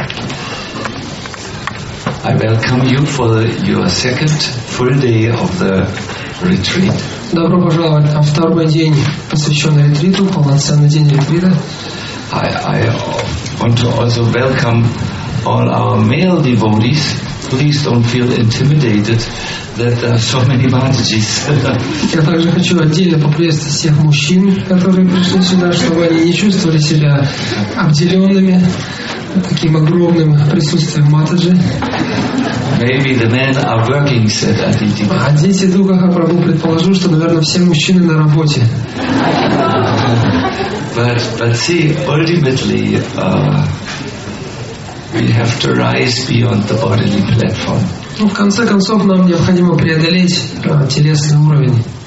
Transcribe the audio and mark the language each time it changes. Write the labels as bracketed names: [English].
[English] I welcome you for your second full day of the retreat. [Russian] Добро пожаловать на второй день, посвященный ретриту, полноценный день ретрита. [English] I want to also welcome all our male devotees. Please don't feel intimidated that there are so many Matajis. [Russian] Я также хочу отдельно поприветствовать всех мужчин, которые пришли сюда, чтобы они не чувствовали себя обделенными таким огромным присутствием Матаджи. [English] Maybe the men are working, said Aditya. [Russian] А здесь я думаю, как Прабху предположил, что, наверное, все мужчины на работе. [English] But see, ultimately, we have to rise beyond the bodily platform. [Russian] Ну, в конце концов, нам необходимо преодолеть телесный уровень.